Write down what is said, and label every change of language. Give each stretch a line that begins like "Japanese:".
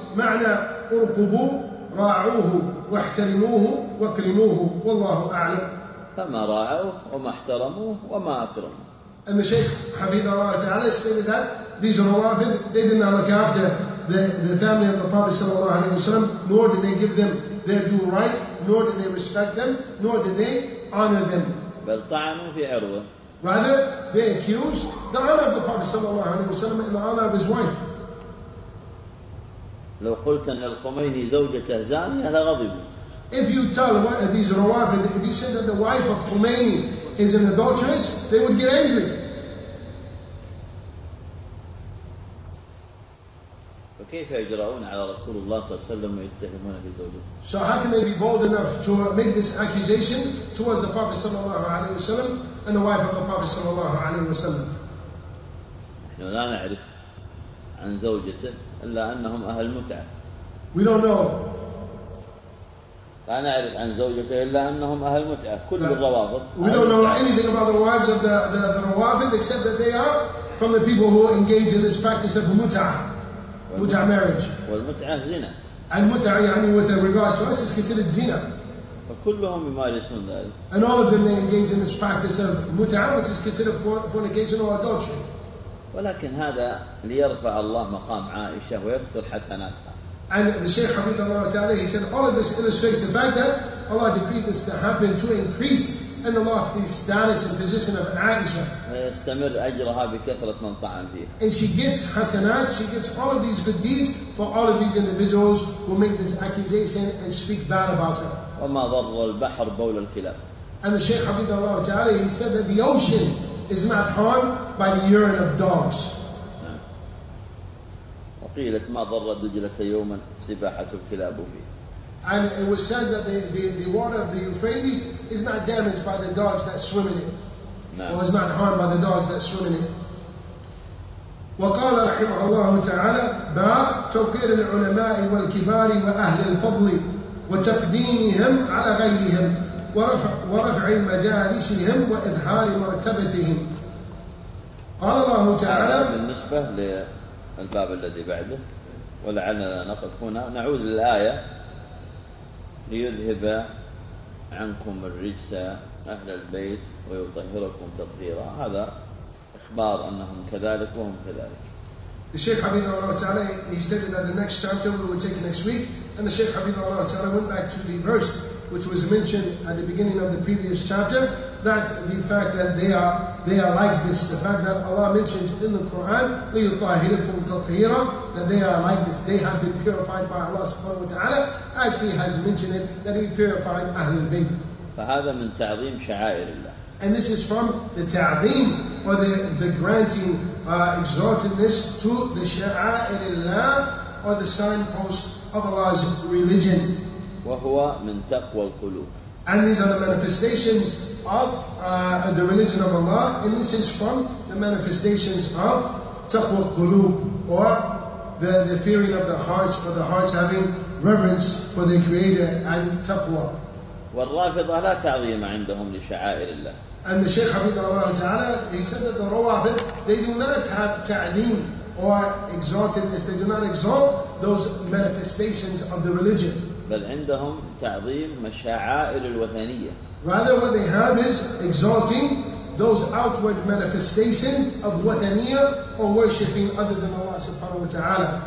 Arabic: معنى ارقبوا راعوه واحترموه واكرموه والله أعلم. فما راعوه وما احترموه وما أكرموه.
English: And the Shaykh
Arabic: حفظه الله تعالى
English: stated that these Rawafid, they did not look after the family of the Prophet
Arabic: صلى الله عليه وسلم,
English: nor did they give them their due right, nor did they respect them, nor did they honor them.
Arabic: بل طعنوا في عروة.
English: Rather, they accused the honor of the Prophet
Arabic: صلى الله عليه وسلم
English: and the honor of his wife.
Arabic: لو قلت أن الخميني زوجته زانية لغضبوا.
English: If you tell these Rawafid, if you say that the wife of Khomeini is an adulteress, they would get angry.
Arabic: كيف يجرؤون على رسول الله صلى الله عليه وسلم ويتهمون في زوجته؟
English: So how can they be bold enough to make this accusation towards the Prophet
Arabic: صلى الله عليه وسلم
English: and the wife of the Prophet صلى الله عليه وسلم؟
Arabic: نحن لا نعرف عن زوجته إلا أنهم أهل متعة.
English: We don't know.
Arabic: لا نعرف عن زوجته إلا أنهم أهل متعة. كل الروافض.
English: We don't know anything about the wives of the Rawafid except that they are from the people who engaged in this practice of متعة. متع marriage.
Arabic: والمتعة زنا. المتع يعني
English: with regards to us is considered زنا.
Arabic: فكلهم يمارسون ذلك.
English: And all of them they engage in this practice of متع which is considered fornication or adultery.
Arabic: ولكن هذا ليرفع الله مقام عائشة ويكثر حسناتها.
English: And the Shaykh
Arabic: حفظه الله تعالى
English: he said all of this illustrates the fact that Allah decreed this to happen to increase in the lofty status and position of Aisha.
Arabic: ويستمر أجرها بكثرة من طعن فيها.
English: And she gets hasanat, she gets all of these good deeds for all of these individuals who make this accusation and speak bad about her.
Arabic: وما ضر البحر بول الكلاب.
English: And the Shaykh
Arabic: حفظه الله تعالى
English: he said that the ocean is not harmed by the urine of dogs.
Arabic: قيلت ما ضر دجلة يوما سباحة الكلاب فيه.
English: And it was said that the water of the Euphrates is not damaged by the dogs that swim in it.
Arabic: نعم.
English: Or is not harmed by the dogs that swim in it.
Arabic: وقال رحمه الله تعالى باب توقير العلماء والكبار وأهل الفضل وتقديمهم على غيرهم ورفع مجالسهم وإظهار مرتبتهم. قال الله تعالى بالنسبة للباب الذي بعده ولعلنا نقف هنا نعود للآية ليذهب عنكم الرجس أهل البيت ويطهركم تطهيرا هذا إخبار أنهم كذلك وهم كذلك.
English: The Shaykh
Arabic: حبيب الله تعالى
English: he stated that the next chapter we will take next week and the Shaykh حبيب الله تعالى went back to the verse which was mentioned at the beginning of the previous chapter that the fact that they are like this the fact that Allah mentions in the Quran
Arabic: ليطهركم تطهيرا
English: that they are like this they have been purified by Allah subhanahu wa ta'ala as he has mentioned it that he purified Ahlul Bayt.
Arabic: فهذا من تعظيم شعائر الله.
English: And this is from the ta'zim or the granting exaltedness to the
Arabic: شعائر الله
English: or the signposts of Allah's religion.
Arabic: وهو من تقوى القلوب.
English: And these are the manifestations of the religion of Allah and this is from the manifestations of
Arabic: تقوى القلوب
English: or the fearing of the hearts or the hearts having reverence for their creator and تقوى.
Arabic: والرافضة لا تعظيم عندهم لشعائر الله.
English: And the Shaykh
Arabic: حفظه الله تعالى
English: he said that the Rawafid they do not have ta'zim or exaltedness they do not exalt those manifestations of the religion.
Arabic: بل عندهم تعظيم مشاعائر الوثنية.
English: Rather what they have is exalting those outward manifestations of وثنية or worshipping other than Allah
Arabic: سبحانه وتعالى.